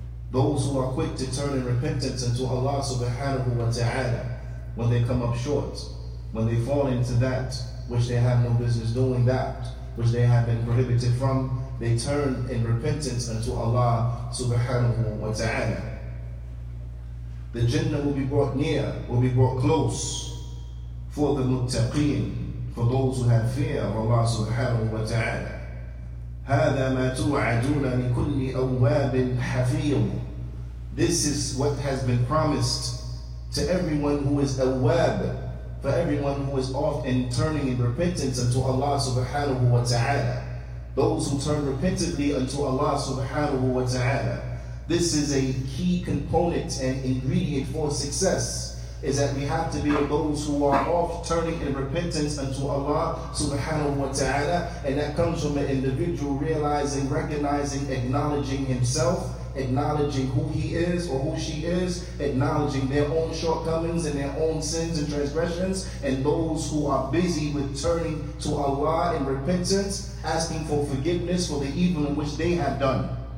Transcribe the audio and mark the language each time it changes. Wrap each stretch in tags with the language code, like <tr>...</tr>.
<en>those who are quick to turn in repentance unto Allah subhanahu wa ta'ala when they come up short, when they fall into that which they have no business doing, that which they have been prohibited from, they turn in repentance unto Allah subhanahu wa ta'ala. The Jannah will be brought near, will be brought close for the muttaqeen, for those who have fear of Allah subhanahu wa ta'ala.</en> <ar>هذا ما توعدون لكل أواب حفيظ.</ar> <en>This is what has been promised to everyone who is awab, for everyone who is off and turning in repentance unto Allah subhanahu wa ta'ala. Those who turn repentantly unto Allah subhanahu wa ta'ala. This is a key component and ingredient for success, is that we have to be of those who are off turning in repentance unto Allah subhanahu wa ta'ala, and that comes from an individual realizing, recognizing, acknowledging himself, acknowledging who he is or who she is, acknowledging their own shortcomings and their own sins and transgressions, and those who are busy with turning to Allah in repentance, asking for forgiveness for the evil in which they have done.</en>